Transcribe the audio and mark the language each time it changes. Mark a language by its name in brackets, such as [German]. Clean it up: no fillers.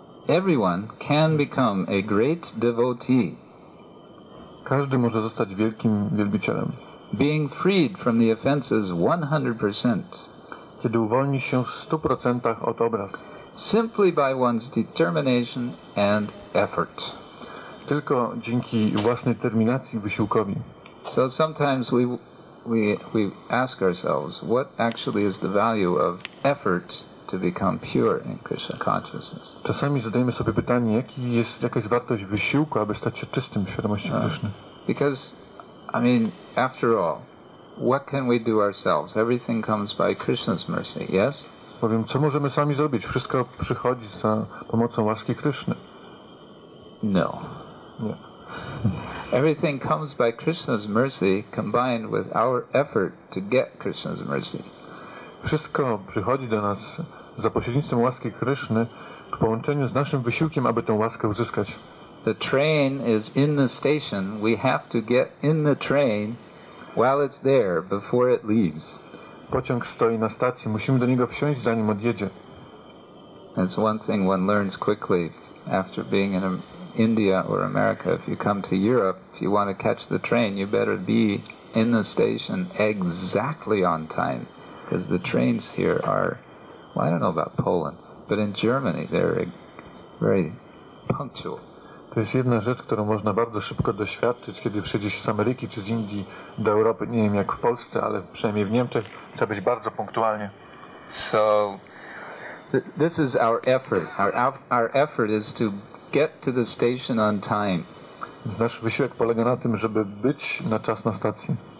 [English] Everyone can become a great devotee. [Polish] Każdy może zostać wielkim wielbicielem. [English] Being freed from the offenses 100%. [Polish] Kiedy uwolni się w 100% od obraz. [English] Simply by one's determination and effort. [Polish] Tylko dzięki własnej determinacji i wysiłkowi. [English] So sometimes we ask ourselves, what actually is the value of effort to become pure in Krishna consciousness? [Polish] Czasami zadajemy sobie pytanie, jaka jest wartość wysiłku, aby stać się czystym w świadomości Krishna. [English] Because, I mean, after all, what can we do ourselves? Everything comes by Krishna's mercy, yes? [Polish] Powiem, co możemy sami zrobić? Wszystko przychodzi za pomocą łaski Krishna. [English] No. [Polish] Nie. [English] Everything comes by Krishna's mercy combined with our effort to get Krishna's mercy. [Polish] Wszystko przychodzi do nas za pośrednictwem łaski Kryszny w połączeniu z naszym wysiłkiem, aby tę łaskę uzyskać. [English] The train is in the station. We have to get in the train while it's there before it leaves. [Polish] Pociąg stoi na stacji. Musimy do niego wsiąść, zanim odjedzie. [English] That's one thing one learns quickly after being in India or America. If you come to Europe, if you want to catch the train, you better be in the station exactly on time, because the trains here are well, I don't know about Poland, but in Germany they're very punctual. [Polish] To jest jedna rzecz, którą można bardzo szybko doświadczyć, kiedy przyjdzie się z Ameryki czy z Indii do Europy, nie wiem jak w Polsce, ale przynajmniej w Niemczech trzeba być bardzo punktualnie. [English] So this is our effort. Our effort is to get to the station on time. [Polish] Nasz wysiłek polega na tym, żeby być na czas na stacji.